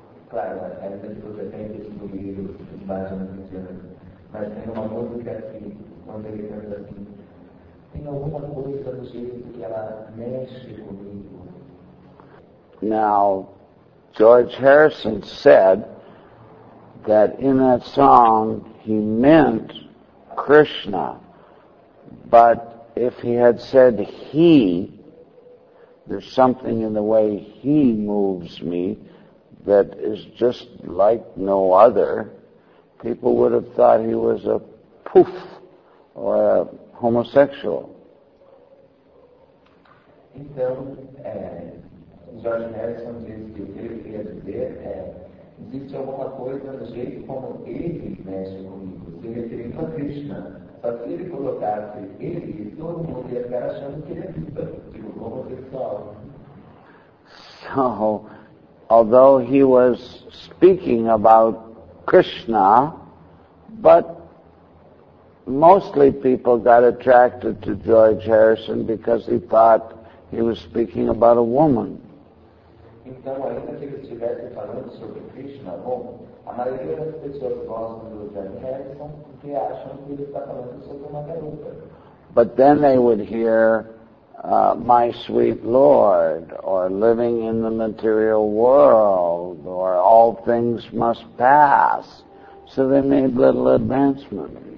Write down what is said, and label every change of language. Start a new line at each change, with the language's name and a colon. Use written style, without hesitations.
Portuguese: Claro, a gente tudo tem que descobrir os mais ou menos, mas tem uma música que, quando ele canta assim, tem alguma coisa do jeito que ela mexe comigo.
English: Now, George Harrison said that in that song he meant Krishna, but if he had said he, "There's something in the way he moves me that is just like no other," people would have thought he was a poof or a homosexual.
Portuguese: Então, George Harrison diz que o que ele queria dizer é, existe alguma coisa no jeito como ele mexe comigo, se referindo a Krishna. Só se ele colocasse ele, todo mundo ia ficar achando que ele é Krishna, tipo, homossexual.
English: So, although he was speaking about Krishna, but mostly people got attracted to George Harrison because he thought he was speaking about a woman.
Portuguese: Então, ainda que ele estivesse falando sobre Krishna, bom, a maioria das pessoas gostam do George Harrison porque acham que ele está falando sobre uma garota.
English: But then they would hear, "My sweet Lord," or "Living in the material world," or "All things must pass." So they made little advancement.